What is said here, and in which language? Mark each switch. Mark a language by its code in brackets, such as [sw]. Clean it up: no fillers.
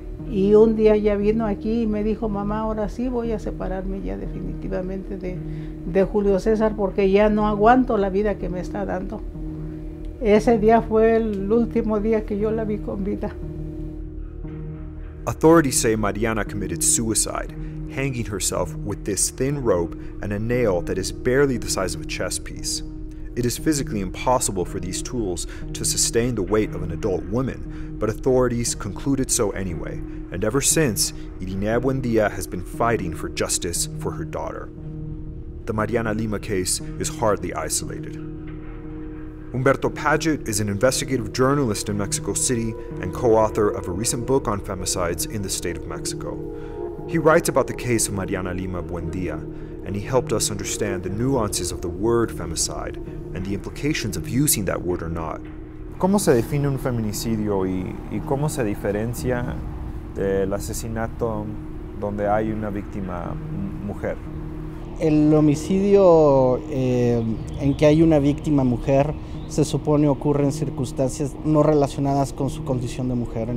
[es] Y un día ya vino aquí y me dijo, mamá, ahora sí voy a separarme ya definitivamente de Julio César porque ya no aguanto la vida que me está dando. Ese día fue el último día que yo la vi con vida. [en] Authorities say Mariana committed suicide, hanging herself with this thin rope and a nail that is barely the size of a chess piece. It is physically impossible for these tools to sustain the weight of an adult woman, but authorities concluded so anyway, and ever since, Irina Buendia has been fighting for justice for her daughter. The Mariana Lima case is hardly isolated. Humberto Paget is an investigative journalist in Mexico City and co-author of a recent book on femicides in the state of Mexico. He writes about the case of Mariana Lima Buendia, and he helped us understand the nuances of the word femicide and the implications of using that word or not. [es] ¿Cómo se define un feminicidio y cómo se diferencia del asesinato donde hay una víctima mujer? El homicidio en que hay una víctima mujer se supone ocurre en circunstancias no relacionadas con su condición de mujer.